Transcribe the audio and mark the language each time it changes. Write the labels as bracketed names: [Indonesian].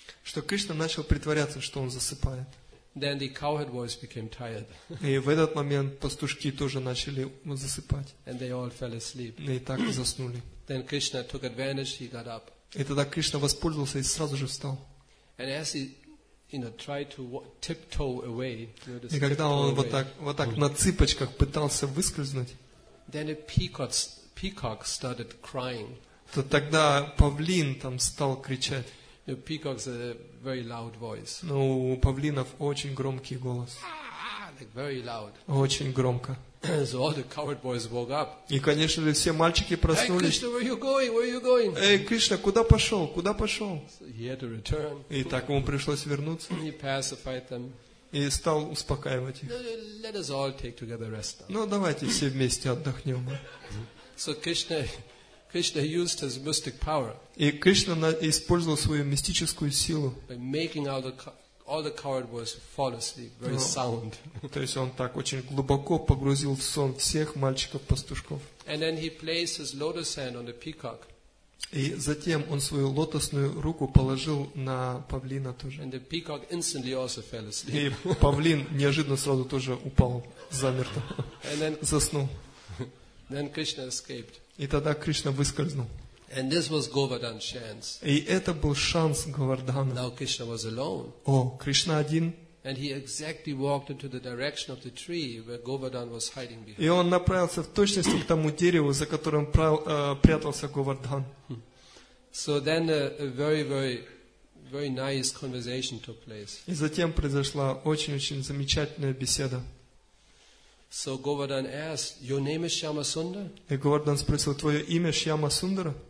[Russian] что Кришна начал притворяться, что он засыпает, [English] Then the cowherd boys became tired. [Russian] И в этот момент пастушки тоже начали засыпать. [English] And they all fell asleep. [Russian] И так и заснули. [English] Then Krishna took advantage. He got up. [Russian] И тогда Кришна воспользовался и сразу же встал. [English] And as he, you know, tried to tiptoe away, [Russian] и когда он вот так на цыпочках пытался выскользнуть, [English] then a peacock started crying. [Russian] То тогда павлин там стал кричать. [English] The peacock's a very loud voice. [Russian] Ну, у павлинов очень громкий голос. [English] Like very loud. [Russian] Очень громко. [English] So all the coward boys woke up. [Russian] И, конечно же, все мальчики проснулись. [English] Hey, Krishna, where are you going? Where are you going? [Russian] Эй, Кришна, куда пошел? Куда пошел? [English] So he had to return. [Russian] И так ему пришлось вернуться. [English] He pacified them. [Russian] И стал успокаивать их. [English] Let us all take together rest. [Russian] Ну, давайте все вместе отдохнем. [English] So Krishna used his mystic power. [Russian] И Кришна использовал свою мистическую силу. [English] By making all the coward boys fall asleep very sound. [Russian] То есть он так очень глубоко погрузил в сон всех мальчиков-пастушков. [English] And then he placed his lotus hand on the peacock. [Russian] И затем он свою лотосную руку положил на павлина тоже. [English] And the peacock instantly also fell asleep. [Russian] И павлин неожиданно сразу тоже упал замертво. [English] And then [Russian] заснул. [English] Then Krishna escaped. [Russian] И тогда Кришна выскользнул. [English] And this was Govardhan's chance. [Russian] И это был шанс Говардхана. [English] Now Krishna was alone. [Russian] О, Кришна один. [English] And he exactly walked into the direction of the tree where Govardhan was hiding behind. [Russian] И он направился в точности к тому дереву, за которым прятался Говардхан. [English] So then a very, very, very nice conversation took place. [Russian] И затем произошла очень-очень замечательная беседа. [English] So Govardhan asked, "Your name is Shyama Sundar?" [Russian] И Говардхан спросил, твое имя Шьяма Сундара?